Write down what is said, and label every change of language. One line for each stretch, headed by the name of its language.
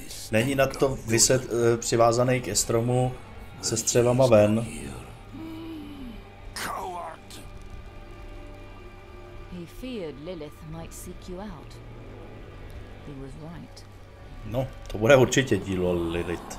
Czech: Není na to viset přivázaný ke stromu se střelama ven.
English: Lilith might seek you out. He was right.
Czech: No, to bude určitě dílo Lilith.